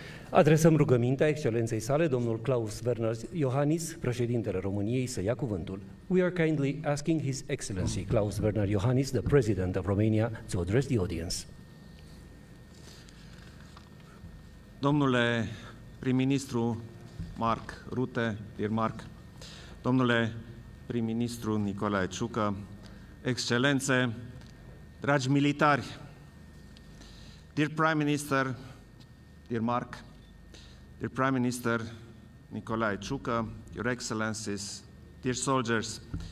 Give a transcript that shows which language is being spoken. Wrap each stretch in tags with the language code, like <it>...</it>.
<ro>Adresăm rugămintea excelenței sale, domnul Klaus Werner Iohannis, președintele României, să ia cuvântul.</ro> <en>We are kindly asking His Excellency Klaus Werner Iohannis, the President of Romania, to address the audience.</en> <ro>Domnule prim-ministru Mark Rutte,</ro> <en>dear Mark,</en> <ro>domnule prim-ministru Nicolae Ciucă, excelențe, dragi militari,</ro> <en>dear Prime Minister, dear Mark, dear Prime Minister Nicolae Ciucă, Your Excellencies, dear soldiers,</en>